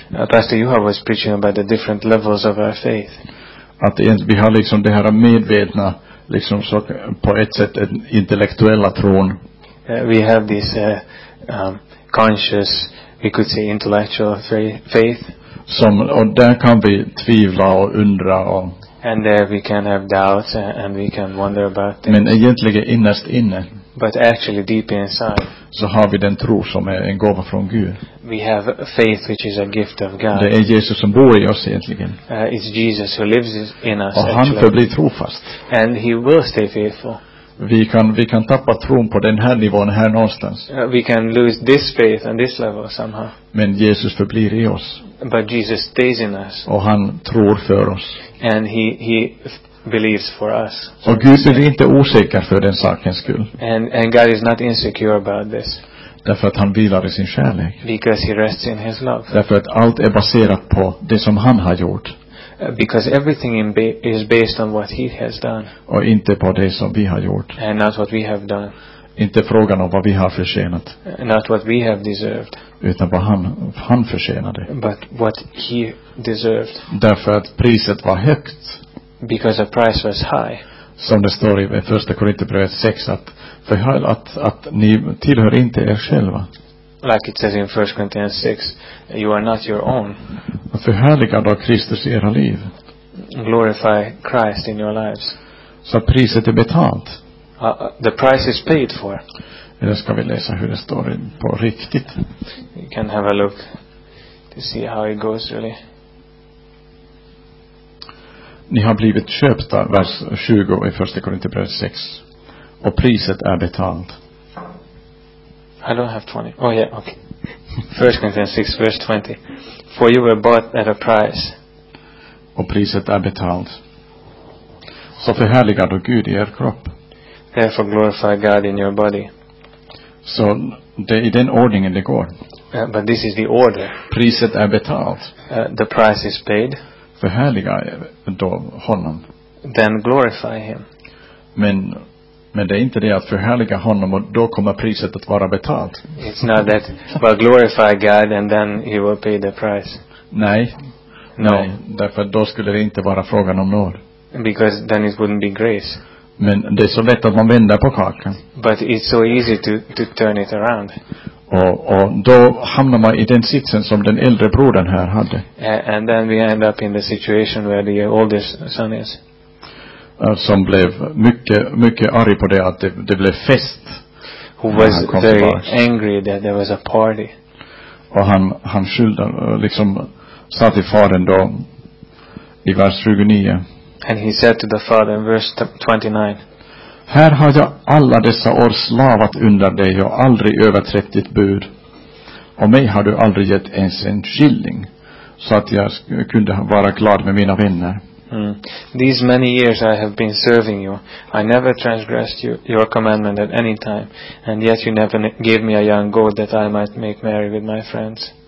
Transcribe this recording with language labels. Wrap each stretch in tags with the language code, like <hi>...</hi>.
<en>Pastor Juha was preaching about the different levels of our faith.</en> <sv>Att vi har liksom det här medvetna liksom så på ett sätt en intellektuella tron.</sv> <en>We have this conscious, we could say intellectual faith.</en> <sv>Som, och där kan vi tvivla och undra om.</sv> <en>And there we can have doubts and we can wonder about things.</en> <sv>Men egentligen innerst inne.</sv> <en>But actually deep inside.</en> <sv>Så har vi den tro som är en gåva från Gud.</sv> <en>We have faith which is a gift of God.</en> <sv>Det är Jesus som bor i oss egentligen.</sv> <en>It's Jesus who lives in us.</en> <sv>Och han förblir trofast.</sv> <en>And he will stay faithful.</en> <sv>Vi kan tappa tron på den här nivån här någonstans.</sv> <en>We can lose this faith on this level somehow.</en> <sv>Men Jesus förblir i oss.</sv> <en>But Jesus stays in us.</en> <sv>Och han tror för oss.</sv> <en>And he believes for us.</en> <sv>Och Gud är inte osäker för den sakens skull.</sv> <en>And God is not insecure about this.</en> <sv>Därför att han vilar i sin kärlek.</sv> <en>Because he rests in his love.</en> <sv>Därför att allt är baserat på det som han har gjort.</sv> <en>Because everything is based on what he has done.</en> <sv>Och inte på det som vi har gjort.</sv> <en>And not what we have done.</en> <sv>Inte frågan om vad vi har förtjänat.</sv> <en>Not what we have deserved.</en> <sv>Utan vad han förtjänade.</sv> <en>But what he deserved.</en> <sv>Därför att priset var högt.</sv> <en>Because the price was high.</en> <sv>Som det står i 1 Korinthierbrevet 6 att ni tillhör inte er själva.</sv> <en>Like it says in 1 Corinthians 6, you are not your own.</en> <sv>Förhärliga då Kristus i era liv.</sv> <en>Glorify Christ in your lives.</en> <sv>Så priset är betalt.</sv> <en>The price is paid for.</en> <sv>Nu ska vi läsa hur det står på riktigt.</sv> <en>You can have a look to see how it goes really.</en> <sv>ni har blivit köpta, vers 20 i 1 Korinthierbrevet 6, och priset är betalt.</sv> <en>I don't have 20. Oh yeah, okay. 1 Corinthians 6, verse 20. For you were bought at a price.</en> <sv>Och priset är betalt. Så förhärligar du Gud i er kropp.</sv> <en>Therefore glorify God in your body.</en> <sv>Så det är i den ordningen det går.</sv> <en>But this is the order.</en> <sv>Priset är betalt.</sv> <en>The price is paid.</en> <sv>Förhärligar då honom.</sv> <en>Then glorify him.</en> <sv>Men det är inte det att förhärliga honom och då kommer priset att vara betalt.</sv> <en>It's not that, but glorify God and then he will pay the price.</en> <sv>Nej.</sv> <en>No.</en> <sv>Nej, därför då skulle det inte vara frågan om nåd.</sv> <en>Because then it wouldn't be grace.</en> <sv>Men det är så lätt att man vänder på kakan.</sv> <en>But it's so easy to turn it around.</en> <sv>Och då hamnar man i den sitsen som den äldre brodern här hade.</sv> <en>And then we end up in the situation where the oldest son is.</en> <sv>Som blev mycket mycket arg på det att det blev fest.</sv> <en>Who was very angry that there was a party.</en> <sv>Och han skyllde liksom sa till fadern då i vers 29.</sv> <en>And he said to the father in verse 29.</en> <sv>Här har jag alla dessa år slavat under dig och aldrig överträtt ditt bud. Och mig har du aldrig gett ens en skilling så att jag kunde vara glad med mina vänner. Mm.</sv> <en>These many years I have been serving you. I never transgressed your commandment at any time, and yet you never gave me a young goat that I might make merry with my friends.</en>